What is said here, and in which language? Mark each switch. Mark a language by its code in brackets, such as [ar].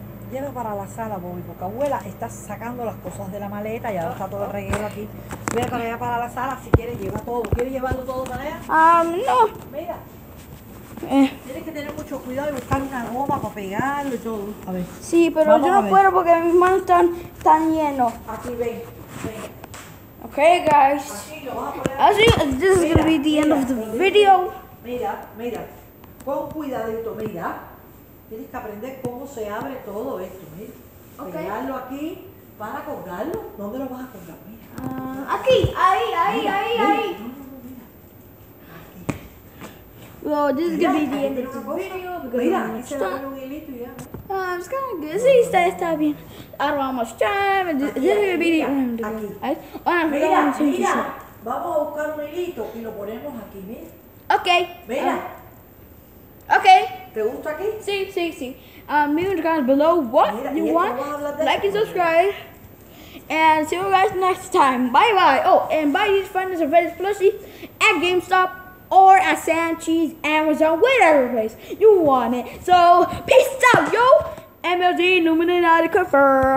[es] Lleva para la sala, Bobby, porque abuela está sacando las cosas de la maleta y ahora está todo el reguero aquí. Ve para allá para la sala, si quieres lleva todo. ¿Quieres llevarlo todo para allá? No. Mira. Tienes que tener mucho cuidado y buscar una goma para pegarlo y todo. A ver. Sí, pero vamos, yo no puedo porque mis manos están tan llenos. Aquí, ven. [en] Ok, guys. [es] Así, [en] this is going to be the end of the video. [es] Mira, con cuidadito, mira. Tienes que aprender cómo se abre todo esto, mira. Okay. Pegarlo aquí para colgarlo. ¿Dónde lo vas a colgar? Mira. Aquí, ahí. [en] Well, this is gonna be the end of the video because [es] mira, [en] I'm stuck. It's kind of good. See, it's I don't have much time. And this is gonna be the end of the video. [es] Mira, vamos a buscar un hilito y lo ponemos aquí, mira. Okay. Mira. Okay. ¿Te gusta aquí? Sí, sí, sí. [en] Leave in the comments below what you want. Like and subscribe. And see you guys next time. Bye bye. Oh, and buy these friends and friends plushies at GameStop or at Sanchez, Amazon, whatever place you want it. So, peace out, yo. MLD, Numinati confirmed.